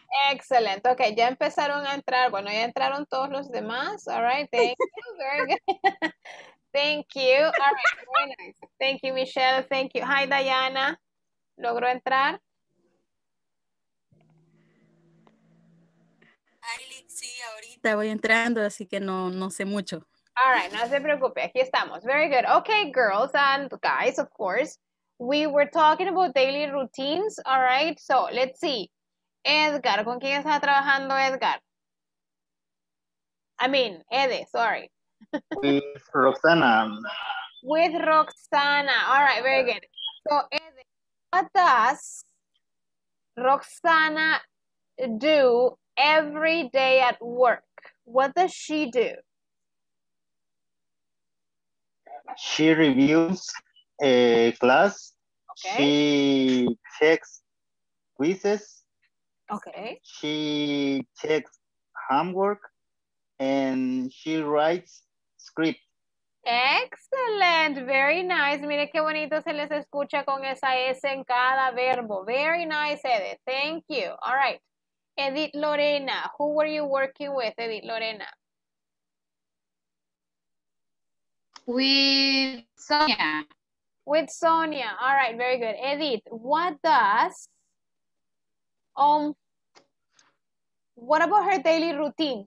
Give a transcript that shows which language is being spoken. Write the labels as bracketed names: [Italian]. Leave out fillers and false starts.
[English] Excellent. Okay, [Spanish] ya empezaron a entrar. Bueno, ya entraron todos los demás. [English] All right. Thank you. Very good. Thank you. All right. Very nice. Thank you, Michelle. Thank you. Hi, Diana. [Spanish] ¿Logró entrar? Ali, sí, ahorita voy entrando, así que no sé mucho. [English] All right. [Spanish] No se preocupe. Aquí estamos. [English] Very good. Okay, girls and guys, of course. We were talking about daily routines, all right? So, let's see. [Spanish] Edgar, ¿con quién está trabajando Edgar? [English] I mean, Ede, sorry. With Roxana. With Roxana. All right, very good. So, Ede, what does Roxana do every day at work? What does she do? She reviews a class. Okay. She checks quizzes. Okay. She checks homework and she writes script. Excellent. Very nice. [Spanish] Mire qué bonito se les escucha con esa S en cada verbo. [English] Very nice, Edith. Thank you. All right. Edith Lorena, who were you working with, Edith Lorena? With Sonia. With Sonia. All right, very good. Edith, what does, what about her daily routine?